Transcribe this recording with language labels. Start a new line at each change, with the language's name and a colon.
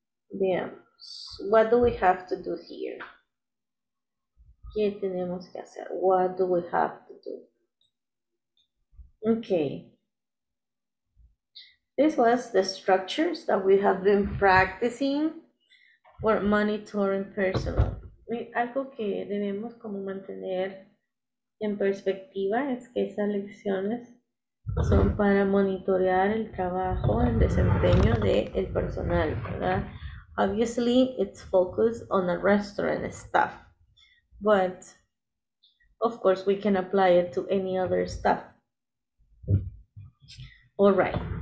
Spanish: Bien.
English: What do we have to do here?
Spanish: ¿Qué tenemos que hacer?
English: What do we have to do? Okay. This was the structures that we have been practicing. Or monitoring personal.
Spanish: Algo que debemos como mantener en perspectiva es que esas lecciones son para monitorear el trabajo, el desempeño del personal, ¿verdad?
English: Obviously, it's focused on a restaurant staff, but of course, we can apply it to any other staff. All right.